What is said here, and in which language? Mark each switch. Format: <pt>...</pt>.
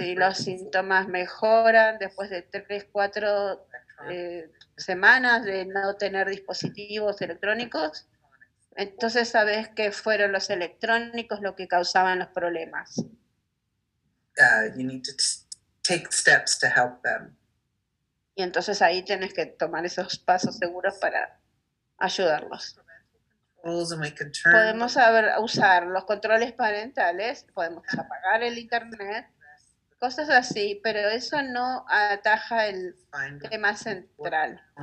<es>Sí, los síntomas mejoran después de 3-4 semanas de no tener dispositivos electrónicos. Entonces sabes que fueron los electrónicos lo que causaban los problemas.</es> <en>You need to take steps to help them.</en> <es>Y entonces ahí tienes que tomar esos pasos seguros para ayudarlos. Podemos usar los controles parentales, podemos apagar el internet, cosas así, pero eso no ataja el tema central.</es>